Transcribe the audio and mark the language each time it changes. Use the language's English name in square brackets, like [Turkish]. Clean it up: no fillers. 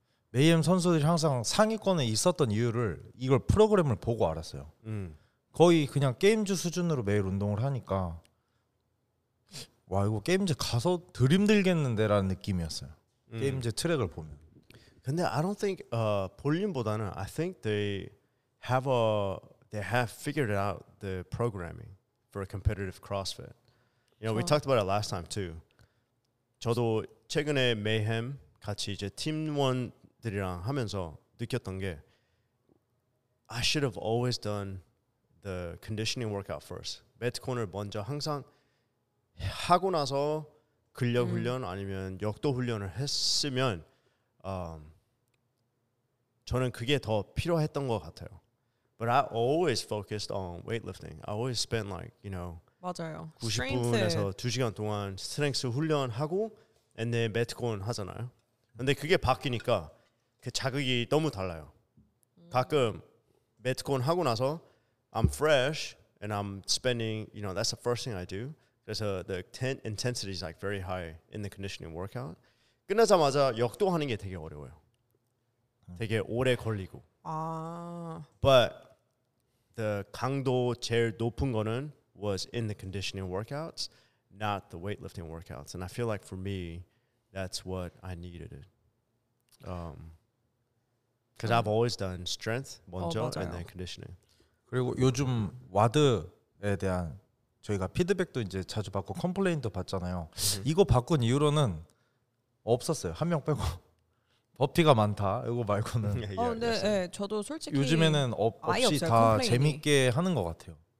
[Korean] 메이엠 선수들이 항상 상위권에 있었던 이유를 이걸 프로그램을 보고 알았어요. 거의 그냥 게임즈 수준으로 매일 운동을 하니까 와 이거 게임즈 가서 덜 힘들겠는데라는 느낌이었어요. 게임즈 트랙을 보면. 근데 [English] I don't think [Korean] 볼륨보다는 [English] I think they have figured out the programming for a competitive CrossFit. You know, we talked about it last time too. [Korean] 저도 최근에 Mayhem 같이 이제 팀원들이랑 하면서 느꼈던 게 [English] I should have always done the conditioning workout first. [Korean] 매트콘을 먼저 항상 하고 나서 근력 훈련 아니면 역도 훈련을 했으면 저는 그게 더 필요했던 것 같아요. [English] But I always focused on weightlifting. I always spent like, you know, [Korean] 맞아요. 90분에서 2시간 동안 스트렝스 훈련하고 [English] and then [Korean] 매트콘 하잖아요. 근데 그게 바뀌니까 그 자극이 너무 달라요. 가끔 매트콘 하고 나서 [English] I'm fresh and I'm spending, you know, that's the first thing I do. [Korean] 그래서 [English] the intensity is like very high in the conditioning workout. [Korean] 끝나자마자 역도 하는 게 되게 어려워요. 되게 오래 걸리고. 아. [English] But the [Korean] 강도 제일 높은 거는 [English] was in the conditioning workouts, not the weightlifting workouts. And I feel like for me, that's what I needed. Because I've always done strength [Korean] 먼저 [English] and then conditioning. [Korean] 그리고 요즘 와드에 대한 저희가 피드백도 이제 자주 받고 컴플레인도 받잖아요. 이거 바꾼 이유로는 없었어요. 한 명 빼고. 버피가 많다. 이거 말고는. 어, 근데 네, 저도 솔직히 요즘에는 없이 없어요, 다 재밌게 하는 것 같아요.